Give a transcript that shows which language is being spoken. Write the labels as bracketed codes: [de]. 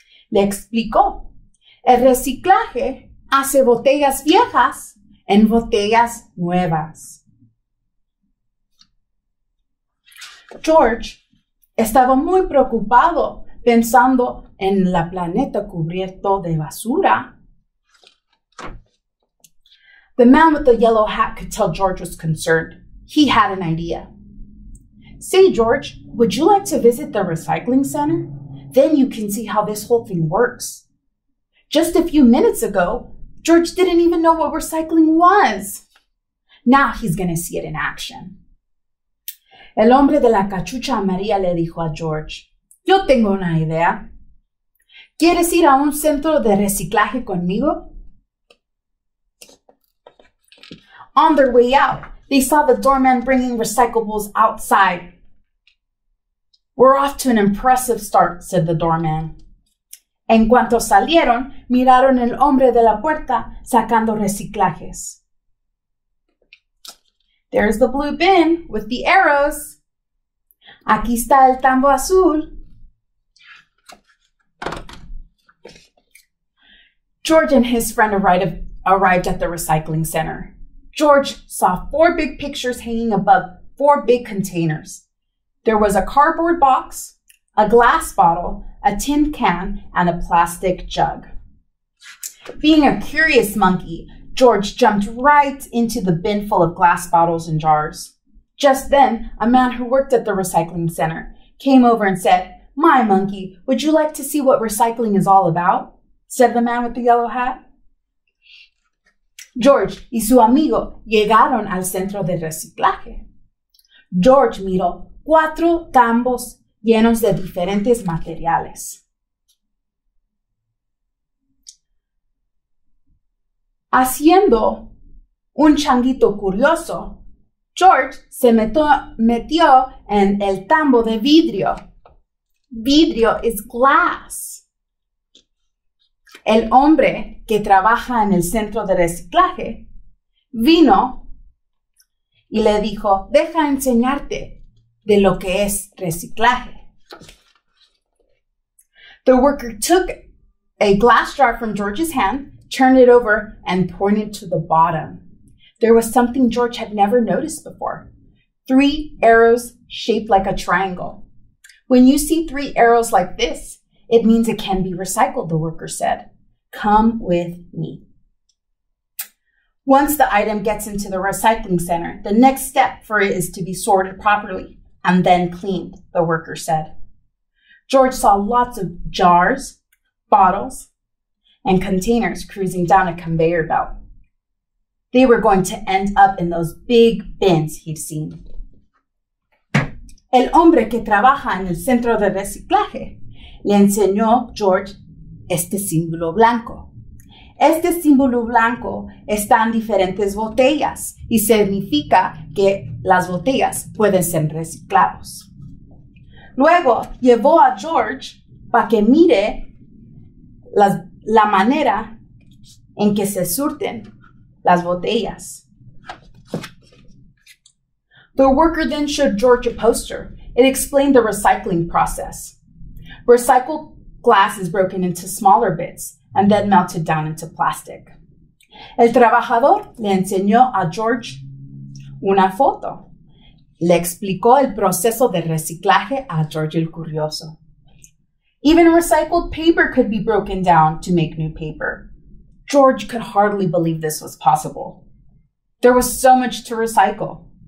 [es] Le explicó, el reciclaje hace botellas viejas en botellas nuevas. George estaba muy preocupado pensando en el planeta cubierto de basura. [en] The man with the yellow hat could tell George was concerned. He had an idea. Say, George, would you like to visit the recycling center? Then you can see how this whole thing works. Just a few minutes ago, George didn't even know what recycling was. Now he's going to see it in action. [es] El hombre de la cachucha amarilla le dijo a George, yo tengo una idea. ¿Quieres ir a un centro de reciclaje conmigo? [en] On their way out, they saw the doorman bringing recyclables outside. We're off to an impressive start, said the doorman. [es] En cuanto salieron, miraron el hombre de la puerta sacando reciclajes. [en] There's the blue bin with the arrows. [es] Aquí está el tambo azul. [en] George and his friend arrived at the recycling center. George saw four big pictures hanging above four big containers. There was a cardboard box, a glass bottle, a tin can, and a plastic jug. Being a curious monkey, George jumped right into the bin full of glass bottles and jars. Just then, a man who worked at the recycling center came over and said, "My monkey, would you like to see what recycling is all about?" said the man with the yellow hat. [es] George y su amigo llegaron al centro de reciclaje. George miró cuatro tambos llenos de diferentes materiales. Haciendo un changuito curioso, George se metió en el tambo de vidrio. [en] Vidrio is glass. [es] El hombre que trabaja en el centro de reciclaje vino y le dijo, deja enseñarte de lo que es reciclaje. [en] The worker took a glass jar from George's hand, turned it over, and pointed to the bottom. There was something George had never noticed before. Three arrows shaped like a triangle. When you see three arrows like this, it means it can be recycled, the worker said. Come with me. Once the item gets into the recycling center, the next step for it is to be sorted properly and then cleaned, the worker said. George saw lots of jars, bottles, and containers cruising down a conveyor belt. They were going to end up in those big bins he'd seen. [es] El hombre que trabaja en el centro de reciclaje le enseñó George este símbolo blanco. Este símbolo blanco está en diferentes botellas y significa que las botellas pueden ser reciclados. Luego llevó a George para que mire la manera en que se surten las botellas. [en] The worker then showed George a poster. It explained the recycling process. Recycled glass is broken into smaller bits and then melted down into plastic. [es] El trabajador le enseñó a George una foto. Le explicó el proceso de reciclaje a George el Curioso. [en] Even recycled paper could be broken down to make new paper. George could hardly believe this was possible. There was so much to recycle.